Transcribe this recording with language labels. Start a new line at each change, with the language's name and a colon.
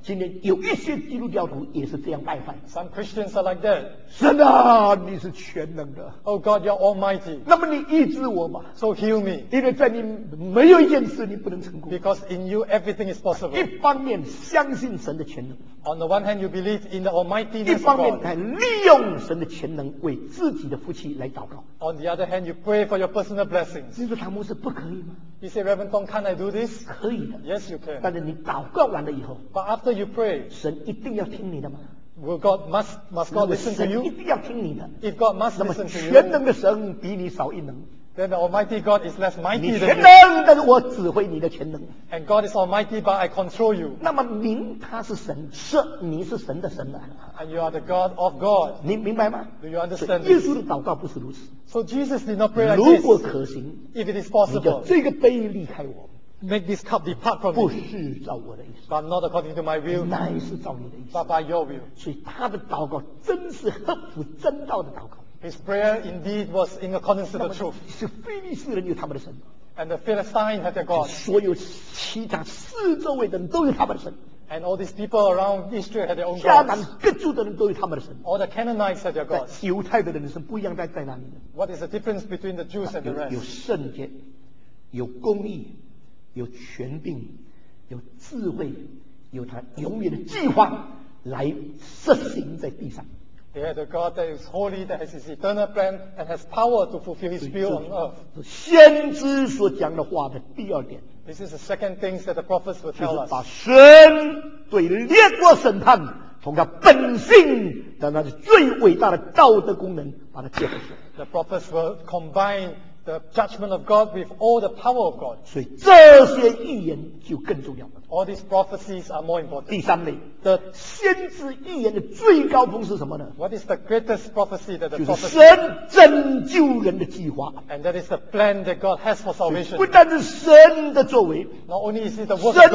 Chinese: 今天有一些基督教徒也是这样拜拜。
English: Some Christians are like that.
Chinese: 神啊，你是全能的。
English: Oh God, you're Almighty.
Chinese: 那么你医治我吧。
English: So heal me.
Chinese: 因为在你没有一件事你不能成功。
English: Because in you everything is possible.
Chinese: 一方面相信神的全能。
English: On the one hand, you believe in the Almightiness of God.
Chinese: 一方面还利用神的全能为自己的福气来祷告。
English: On the other hand, you pray for your personal blessings.
Chinese: 你说唐牧师不可以吗？
English: You say, Reverend Tong, can't I do this?
Chinese: 可以的。
English: Yes, you can.
Chinese: 但是你祷告完了以后。
English: But after you pray.
Chinese: 神一定要听你的吗？
English: Will God, must God listen to you?
Chinese: 神一定要听你的。
English: If God must listen to you.
Chinese: 全能的神比你少一能。
English: Then the Almighty God is less mighty than you.
Chinese: 你全能，但是我指挥你的全能。
English: And God is Almighty, but I control you.
Chinese: 那么明他是神，是你是神的神啊。
English: And you are the God of God.
Chinese: 你明白吗
English: ？Do you understand?
Chinese: 耶稣的祷告不是如此。
English: So Jesus did not pray like this.
Chinese: 如果可行
English: ，if it is possible,
Chinese: 你这个杯离开我。
English: Make this cup depart from me.
Chinese: 不是照我的意思。
English: But not according to my will.
Chinese: 乃是照你的意思。
English: But by your will.
Chinese: 所以他的祷告真是合乎真道的祷告。
English: His prayer indeed was in accordance with the truth.
Chinese: 是非利士人有他们的神。
English: And the Philistine had their God.
Chinese: 所有其他四周围的人都有他们的神。
English: And all these people around Israel had their own gods.
Chinese: 迦南各族的人都有他们的神。
English: All the Canaanites had their gods.
Chinese: 犹太的人的神不一样在哪里呢
English: ？What is the difference between the Jews and the rest?
Chinese: 有圣洁，有公义，有权柄，有智慧，有他永远的计划来实行在地上。
English: They had a God that is holy, that has His eternal plan, and has power to fulfill His will on earth.
Chinese: 先知所讲的话的第二点。
English: This is the second thing that the prophets will tell us.
Chinese: 就是把神对列国审判，从他本性的那最伟大的道德功能，把它解释出来。
English: The prophets will combine the judgment of God with all the power of God.
Chinese: 所以这些预言就更重要。
English: All these prophecies are more important.
Chinese: 第三类，the 先知预言的最高峰是什么呢
English: ？What is the greatest prophecy that the
Chinese: 就是神拯救人的计划
English: ，and that is the plan that God has for salvation.
Chinese: 不但是神的作为
English: ，not only is it the word of God.